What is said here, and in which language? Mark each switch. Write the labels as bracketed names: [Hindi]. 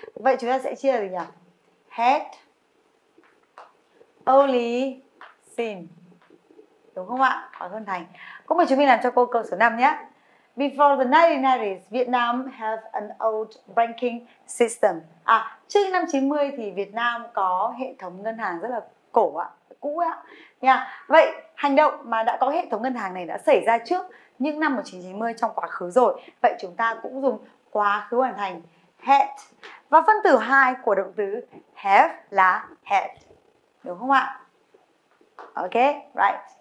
[Vietnamese] Vậy chúng ta sẽ chia gì nhỉ? Had only seen. Đúng không ạ? Quá khứ hoàn thành. Cũng mời chúng mình làm cho cô câu số 5 nhé. [English] Before the 1990s, Vietnam have an old banking system. [Vietnamese] Trước năm 90 thì Việt Nam có hệ thống ngân hàng rất là cổ ạ, cũ ạ. Nha. Vậy hành động mà đã có hệ thống ngân hàng này đã xảy ra trước những năm 1990 trong quá khứ rồi. Vậy chúng ta cũng dùng quá khứ hoàn thành had. Và phân từ 2 của động từ have là had. Đúng không ạ? Ok, right.